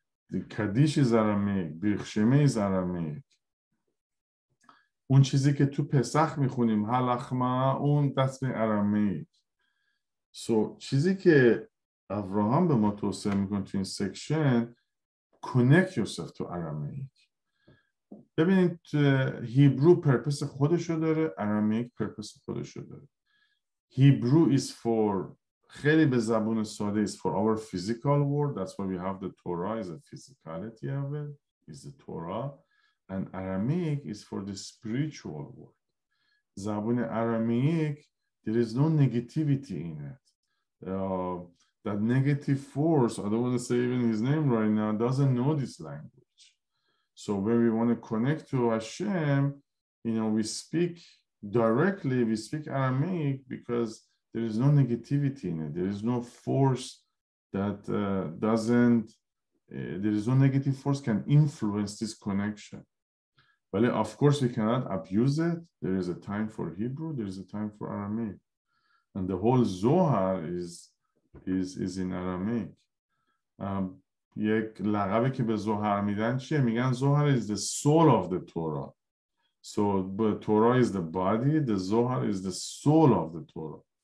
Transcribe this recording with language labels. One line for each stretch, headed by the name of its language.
English: The Kaddish is Aramaic, Birch Shemeh is Aramaic.
Persian: اون چیزی که تو پسخ میخونیم هلخمه اون دست Aramaic. So چیزی که ابراهام به ما توصیه میکنه تو این سیکشن،
English: connect yourself to Aramaic.
Persian: ببینید هیبرو پرپس خودشو داره، ارامیک پرپس خودشو داره. هیبرو
English: is for
Persian: خیلی به زبون ساده است.
English: For our physical world, that's why we have the Torah is a physicality of it, is the Torah. And Aramaic is for the spiritual world. زبون Aramaic, there is no negativity in it. That negative force, I don't want to say even his name right now, doesn't know this language. So when we want to connect to Hashem, you know, we speak directly, we speak Aramaic because there is no negativity in it. There is no force that there is no negative force can influence this connection. But of course, we cannot abuse it. There is a time for Hebrew, there is a time for Aramaic. And the whole Zohar is in Aramaic.
Persian: یک لقبی که به زوهر میدن چیه؟ میگن زوهر
English: is the soul of the Torah. So the Torah is the body, the Zohar is the soul of the Torah.